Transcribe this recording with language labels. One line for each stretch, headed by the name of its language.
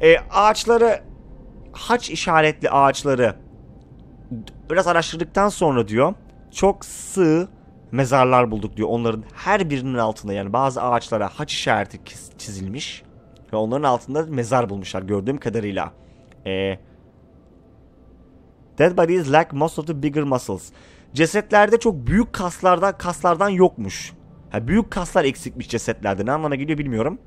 Turkish: Ağaçları, haç işaretli ağaçları biraz araştırdıktan sonra diyor, çok sığ mezarlar bulduk diyor. Onların her birinin altında, yani bazı ağaçlara haç işareti çizilmiş ve onların altında mezar bulmuşlar gördüğüm kadarıyla.
English: Dead bodies lack most of the bigger muscles.
Turkish: Cesetlerde çok büyük kaslardan yokmuş. Ha, büyük kaslar eksikmiş cesetlerde. Ne anlama geliyor bilmiyorum.